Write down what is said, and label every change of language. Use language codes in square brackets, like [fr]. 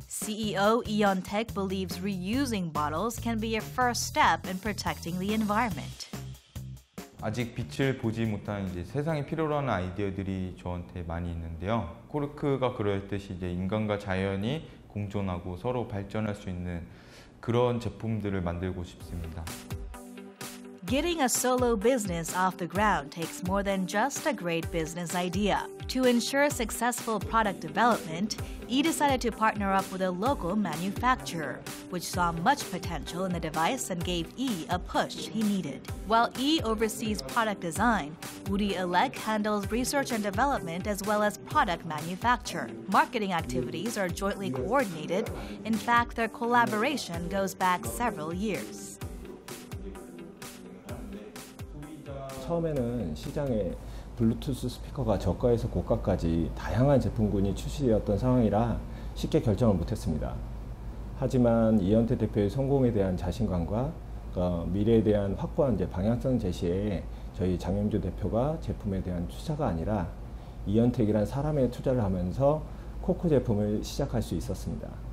[en] CEO Eon Tech believes reusing bottles can be a first step in protecting the environment. [ko] 아직 빛을 보지 못한 이제 세상에 필요로 하는 아이디어들이 저한테 많이 있는데요. 코르크가 그러했듯이 이제 인간과 자연이 공존하고 서로 발전할 수 있는 그런 제품들을 만들고 싶습니다. [en] Getting a solo business off the ground takes more than just a great business idea. To ensure successful product development, E decided to partner up with a local manufacturer, which saw much potential in the device and gave E a push he needed. While E oversees product design, Woody Alec handles research and development as well as product manufacture. Marketing activities are jointly coordinated. In fact, their collaboration goes back several years. [ko] 처음에는 시장에 블루투스 스피커가 저가에서 고가까지 다양한 제품군이 출시되었던 상황이라 쉽게 결정을 못했습니다. 하지만 이현태 대표의 성공에 대한 자신감과 미래에 대한 확고한 방향성 제시에 저희 장영주 대표가 제품에 대한 투자가 아니라 이현택이란 사람에 투자를 하면서 코코 제품을 시작할 수 있었습니다.